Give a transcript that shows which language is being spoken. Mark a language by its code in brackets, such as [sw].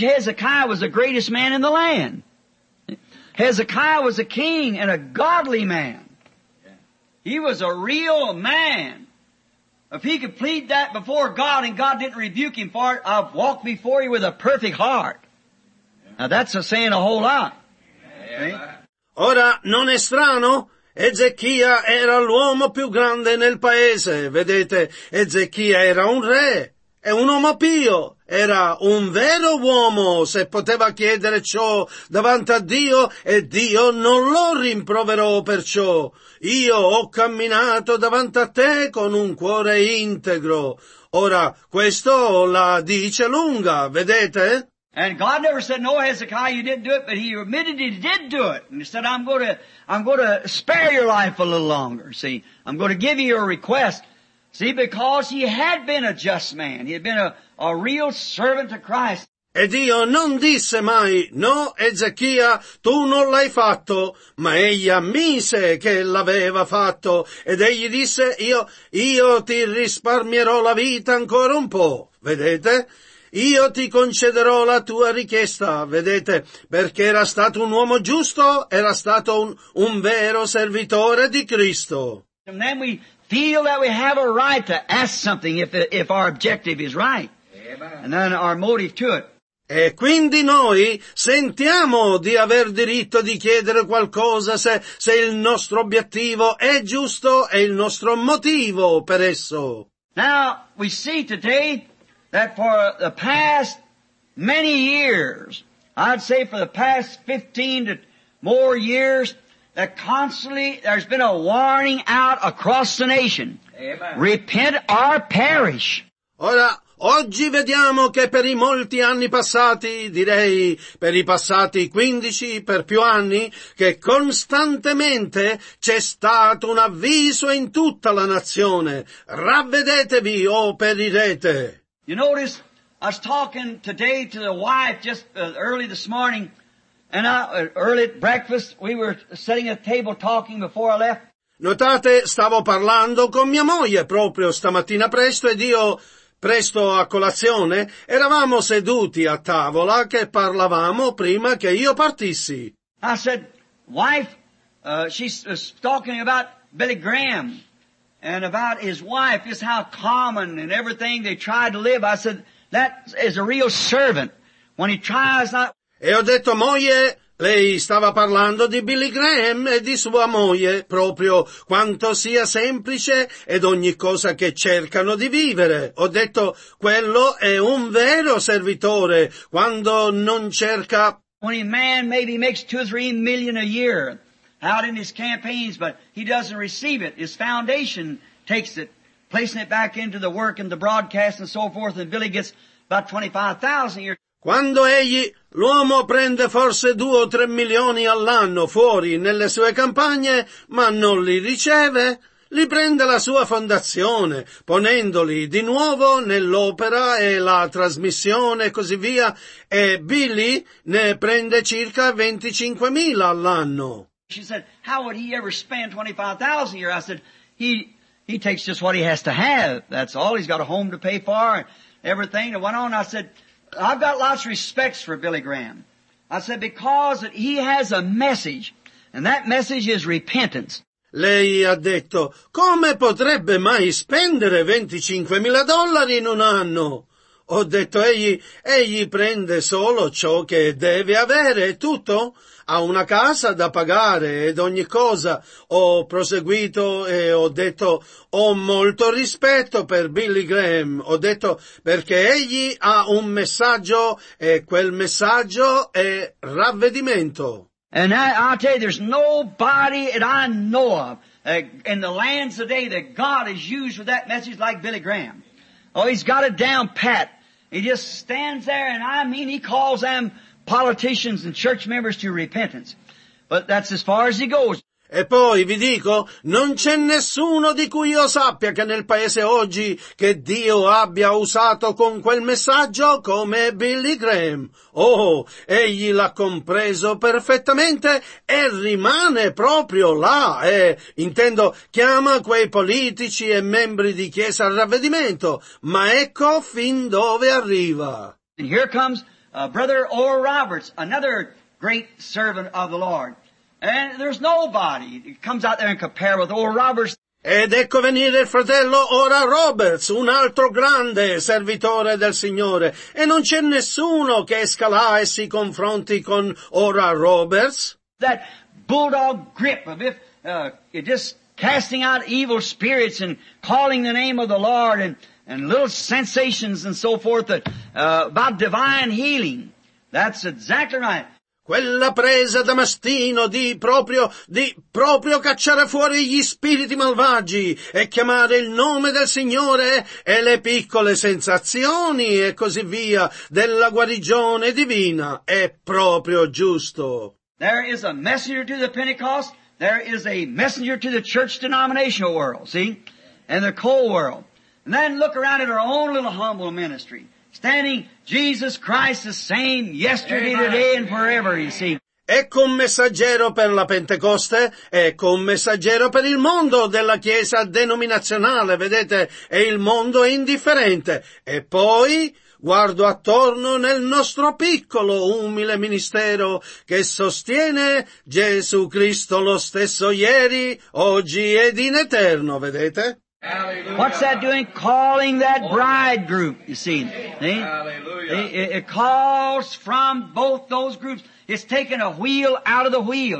[en] Hezekiah was the greatest man in the land. Hezekiah was a king and a godly man. He was a real man. If he could plead that before God and God didn't rebuke him for it, I've walked before you with a perfect heart. Now that's a saying a whole lot. Right? [it] Ora, non è strano? Ezechia era l'uomo più grande nel paese. Vedete, Ezechia era un re e un uomo pio. Era un vero uomo se poteva chiedere ciò davanti a Dio e Dio non lo rimproverò per ciò. Io ho camminato davanti a te con un cuore integro. Ora, questo la dice lunga, vedete? [en] And God never said, no, Hezekiah, you didn't do it, but he admitted he did do it. And he said, I'm going to spare your life a little longer, see. I'm going to give you a request. See, because he had been a just man. He had been a real servant of Christ. [it] E Dio non disse mai, no, Ezechia, tu non l'hai fatto, ma egli ammise che l'aveva fatto, ed egli disse, io ti risparmierò la vita ancora un po', vedete? Io ti concederò la tua richiesta, vedete? Perché era stato un uomo giusto, era stato un vero servitore di Cristo. [en] And then we feel that we have a right to ask something if our objective is right. And then our motive to it. [it] E quindi noi sentiamo di aver diritto di chiedere qualcosa se il nostro obiettivo è giusto e il nostro motivo per esso. [en] Now we see today that for the past many years, I'd say for the past 15 to more years, that constantly there's been a warning out across the nation. Amen. Repent or perish. [it] Ora, oggi vediamo che per i molti anni passati, direi per i passati 15 per più anni, che costantemente c'è stato un avviso in tutta la nazione. Ravvedetevi o perirete. [en] You notice, I was talking today to the wife just early this morning, and early at breakfast we were sitting at the table talking before I left. [it] Notate, stavo parlando con mia moglie proprio stamattina presto ed io... Presto a colazione, eravamo seduti a tavola che parlavamo prima che io partissi. [en] I said, wife, she was talking about Billy Graham and about his wife, just how common and everything they tried to live. I said, that is a real servant. When he tries not... [it] E ho detto, moglie, lei stava parlando di Billy Graham e di sua moglie, proprio quanto sia semplice ed ogni cosa che cercano di vivere. Ho detto, quello è un vero servitore, quando non cerca... [en] When a man maybe makes 2 or 3 million a year out in his campaigns, but he doesn't receive it, his foundation takes it, placing it back into the work and the broadcast and so forth, and Billy gets about 25,000 a year. [it] Quando egli, l'uomo prende forse 2 o 3 milioni all'anno fuori nelle sue campagne, ma non li riceve, li prende la sua fondazione, ponendoli di nuovo nell'opera e la trasmissione e così via, e Billy ne prende circa 25,000 all'anno. [en] She said, how would he ever spend 25,000 a year? I said, he takes just what he has to have. That's all. He's got a home to pay for and everything. And went on, I said... I've got lots of respects for Billy Graham. I said, because he has a message, and that message is repentance. [it] Lei ha detto, come potrebbe mai spendere 25,000 dollari in un anno? Ho detto, egli prende solo ciò che deve avere, è tutto. Ha una casa da pagare ed ogni cosa. Ho proseguito e ho detto, ho molto rispetto per Billy Graham. Ho detto, perché egli ha un messaggio e quel messaggio è ravvedimento. [en] And I'll tell you, there's nobody that I know of in the lands today that God has used with that message like Billy Graham. Oh, he's got it down pat. He just stands there, and I mean, he calls them politicians and church members to repentance. But that's as far as he goes. [it] E poi vi dico, non c'è nessuno di cui io sappia che nel paese oggi che Dio abbia usato con quel messaggio come Billy Graham. Oh, egli l'ha compreso perfettamente e rimane proprio là, intendo, chiama quei politici e membri di chiesa al ravvedimento, ma ecco fin dove arriva. [en] And here comes Brother Oral Roberts, another great servant of the Lord. And there's nobody that comes out there and compare with Oral Roberts. [it] Ed ecco venire il fratello Oral Roberts, un altro grande servitore del Signore. E non c'è nessuno che esca là e si confronti con Oral Roberts. [en] That bulldog grip of if you're just casting out evil spirits and calling the name of the Lord and little sensations and so forth about divine healing. That's exactly right. [it] Quella presa da mastino di proprio cacciare fuori gli spiriti malvagi e chiamare il nome del Signore e le piccole sensazioni e così via della guarigione divina è proprio giusto. [en] There is a messenger to the Pentecost, there is a messenger to the church denominational world, see? And the coal world. And then look around at our own little humble ministry. Standing, Jesus Christ the same yesterday, today and forever, you see. [it] Ecco un messaggero per la Pentecoste, ecco un messaggero per il mondo della Chiesa denominazionale, vedete, e il mondo è indifferente. E poi guardo attorno nel nostro piccolo, umile ministero che sostiene Gesù Cristo lo stesso ieri, oggi ed in eterno, vedete? [en] Hallelujah. What's that doing? Calling that bride group, you see. It calls from both those groups. It's taking a wheel out of the wheel.